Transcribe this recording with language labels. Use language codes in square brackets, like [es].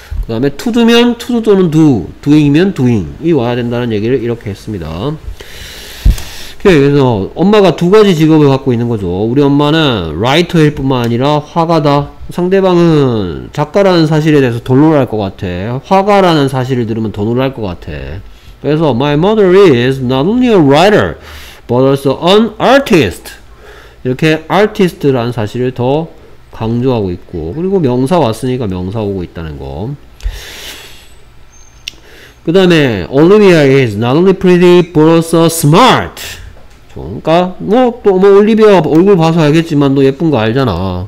[ko] 그 다음에 to do면 to do 또는 do, doing이면 doing이 와야 된다는 얘기를 이렇게 했습니다. 그래서 엄마가 두 가지 직업을 갖고 있는 거죠. 우리 엄마는 라이터일 뿐만 아니라 화가다. 상대방은 작가라는 사실에 대해서 더 놀랄 것 같아. 화가라는 사실을 들으면 더 놀랄 것 같아. [en] 그래서 My mother is not only a writer but also an artist. [ko] 이렇게 artist라는 사실을 더 강조하고 있고 그리고 명사 왔으니까 명사 오고 있다는 거. [en] 그 다음에 Olivia is not only pretty but also smart. [ko] 그러니까 뭐 올리비아 얼굴 봐서 알겠지만 너 예쁜 거 알잖아.